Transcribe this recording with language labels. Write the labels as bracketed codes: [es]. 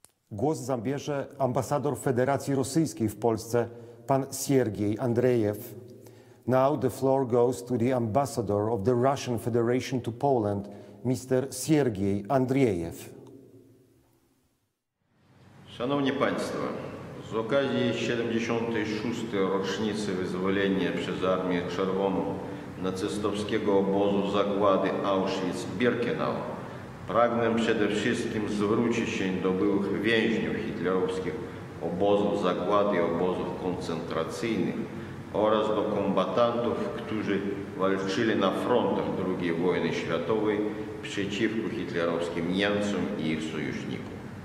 [pl] Głos zabierze ambasador Federacji Rosyjskiej w Polsce, pan Siergiej Andrzejew. [en] Now the floor goes to the ambassador of the Russian Federation to Poland, Mr. Siergiej Andrzejew. [pl] Szanowni Państwo, z okazji 76. rocznicy wyzwolenia przez Armię Czerwoną nacystowskiego obozu zagłady Auschwitz-Birkenau pragnę przede wszystkim zwrócić się do byłych więźniów hitlerowskich obozów zagłady i obozów koncentracyjnych oraz do kombatantów, którzy walczyli na frontach II wojny światowej przeciwko hitlerowskim Niemcom i ich sojusznikom.